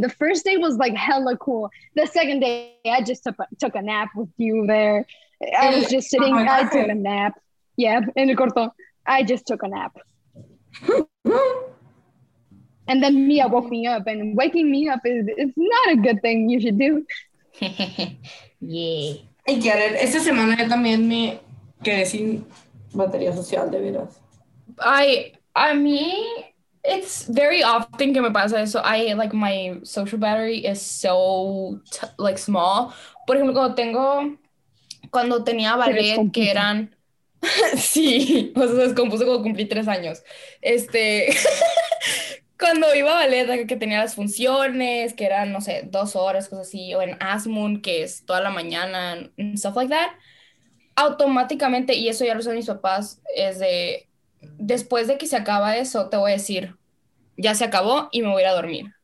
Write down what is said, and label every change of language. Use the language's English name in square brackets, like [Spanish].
[English] The first day was, like, hella cool. The second day, I just took a nap with you there. I was just sitting. I took a nap. Yeah, [Spanish] en el corto. [English] I just took a nap. And then Mia woke me up, and waking me up is not a good thing you should do. Yeah. [Spanish] Y que esta semana yo también me quedé sin batería social, de veras. [English] I [Spanish] A mí, [English] it's very often [Spanish] que me pasa eso. [English] I, like, my social battery is so, like, small. [Spanish] Por ejemplo, cuando tengo, cuando tenía ballet, que eran... sí, o sea, se descompuso cuando cumplí 3 años. Este, cuando iba a ballet, que tenía las funciones, que eran, no sé, 2 horas, cosas así, o en Asmund, que es toda la mañana, [English] and stuff like that, [Spanish] automáticamente, y eso ya lo saben mis papás, es de, después de que se acaba eso, te voy a decir, ya se acabó y me voy a ir a dormir.